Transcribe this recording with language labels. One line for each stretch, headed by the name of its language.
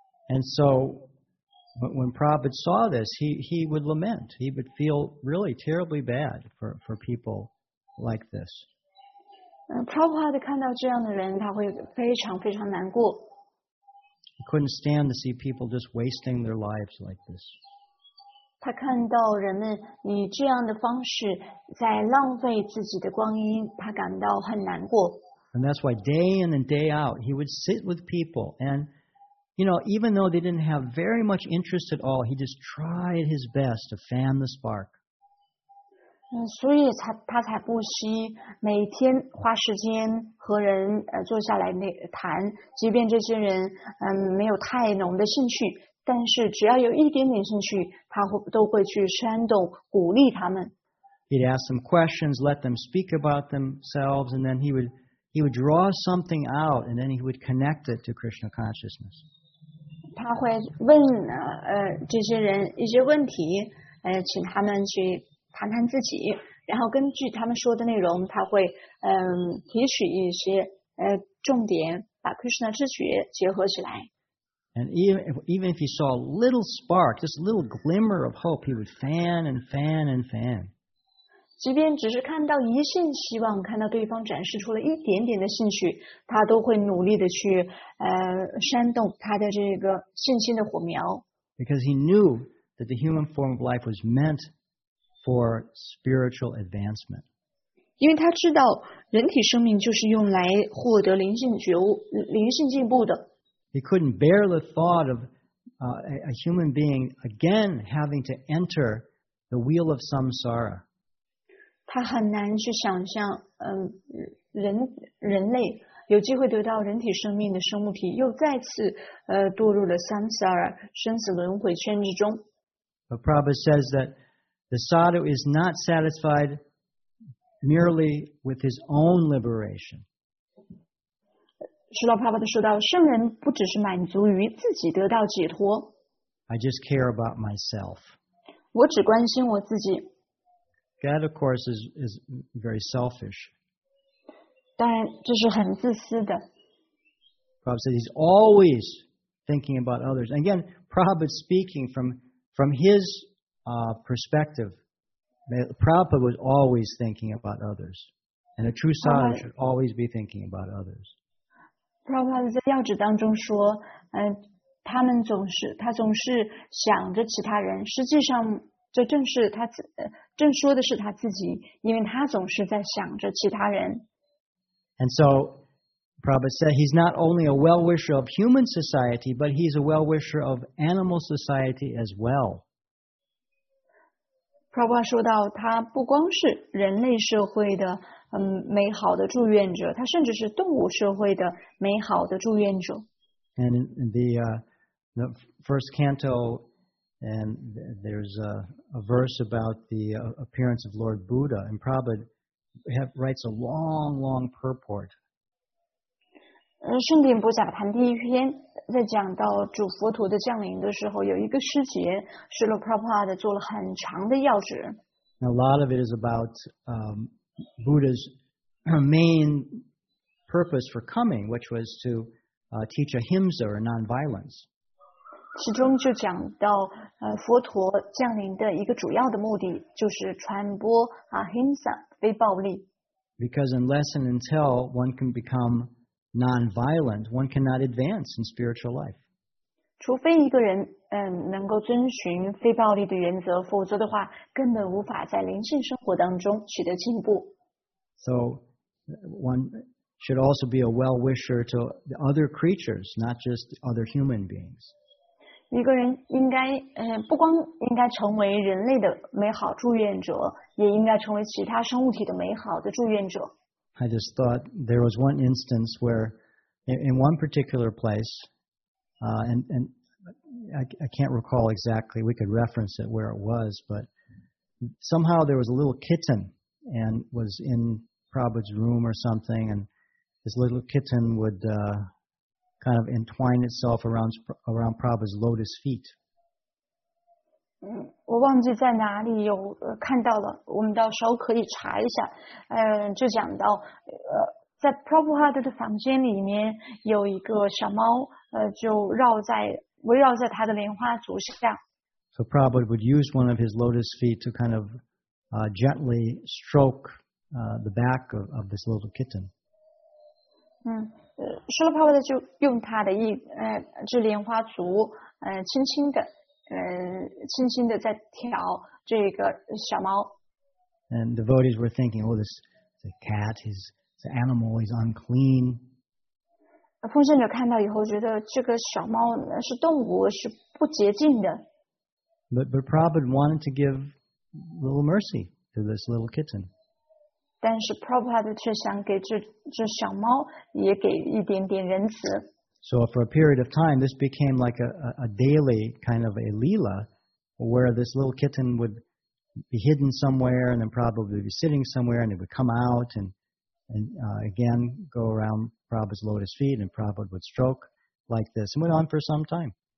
English: And so, when Prabhupada saw this, he would lament. He would feel really terribly bad for people like this.
Chinese: Prabhupada 看到这样的人，他会非常非常难过。
English: He couldn't stand to see people just wasting their lives like this.
Chinese: 他看到人们以这样的方式在浪费自己的光阴，他感到很难过。
English: And that's why day in and day out, he would sit with people. And, you know, even though they didn't have very much interest at all, he just tried his best to fan the spark.
Chinese: 所以他才不惜每天花时间和人坐下来谈，即便这些人没有太浓的兴趣。但是只要有一点点兴趣，他都会去煽动、鼓励他们。
English: He'd ask them questions, let them speak about themselves, and then he would draw something out, and then he would connect it to Krishna consciousness.
Chinese: 他会问这些人一些问题，请他们去谈谈自己，然后根据他们说的内容，他会提取一些重点，把 Krishna 智觉结合起来。
English: And even if he saw a little spark, just a little glimmer of hope, he would fan and fan and fan.
Chinese: 即便只是看到一线希望，看到对方展示出了一点点的兴趣，他都会努力的去煽动他的这个信心的火苗。
English: Because he knew that the human form of life was meant for spiritual advancement.
Chinese: 因为他知道人体生命就是用来获得灵性觉悟、灵性进步的。
English: He couldn't bear the thought of a human being again having to enter the wheel of samsara.
Chinese: 他很难去想象，人类有机会得到人体生命的生物体，又再次堕入了 samsara 生死轮回圈之中。
English: But Prabhupada says that the sadhu is not satisfied merely with his own liberation.
Chinese: 释迦牟尼佛说到，圣人不只是满足于自己得到解脱。
English: I just care about myself.
Chinese: 我只关心我自己。
English: That, of course, is very selfish.
Chinese: 当然，这是很自私的。
English: Prabhupada says he's always thinking about others. Again, Prabhupada speaking from his perspective, Prabhupada was always thinking about others, and a true sadhu should always be thinking about others.
Chinese: Prabhupada 在要旨当中说，他总是想着其他人。实际上，这正是他正说的是他自己，因为他总是在想着其他人。
English: And so, Prabhupada said he's not only a well-wisher of human society, but he's a well-wisher of animal society as well.
Chinese: Prabhupada 说到他不光是人类社会的美好的祝愿者，他甚至是动物社会的美好的祝愿者。
English: And in the first canto, and there's a verse about the appearance of Lord Buddha, and Prabhupada writes a long, long purport.
Chinese: 圣典不假谈第一篇在讲到主佛陀的降临的时候，有一个诗节是 Lord Prabhupada 做了很长的要旨。
English: A lot of it is about Buddha's main purpose for coming, which was to teach ahimsa or non-violence.
Chinese: 其中就讲到佛陀降临的一个主要的目的就是传播 ahimsa 非暴力。
English: Because unless and until one can become non-violent, one cannot advance in spiritual life.
Chinese: 除非一个人能够遵循非暴力的原则，否则的话根本无法在灵性生活当中取得进步。
English: So one should also be a well-wisher to the other creatures, not just other human beings.
Chinese: 一个人应该不光应该成为人类的美好祝愿者，也应该成为其他生物体的美好的祝愿者。
English: I just thought there was one instance where in one particular place, and I can't recall exactly, we could reference it where it was, but somehow there was a little kitten and was in Prabhupada's room or something, and this little kitten would kind of entwine itself around Prabhupada's lotus feet.
Chinese: 我忘记在哪里有看到了，我们到时候可以查一下。就讲到在 Prabhupada 的房间里面有一个小猫，就围绕在他的莲花足下。
English: So Prabhupada would use one of his lotus feet to kind of gently stroke the back of this little kitten.
Chinese: 说了 Prabhupada 就用他的这莲花足轻轻的。轻轻地在挑这个小猫。
English: And devotees were thinking, oh, this is a cat, he's an animal, he's unclean.
Chinese: 奉献者看到以后觉得这个小猫是动物，是不洁净的。
English: But Prabhupada wanted to give little mercy to this little kitten.
Chinese: 但是 Prabhupada 却想给这小猫也给一点点仁慈。
English: So for a period of time, this became like a daily kind of a leela, where this little kitten would be hidden somewhere, and then probably be sitting somewhere, and it would come out and again go around Prabhupada's lotus feet, and Prabhupada would stroke like this, and went on for some time.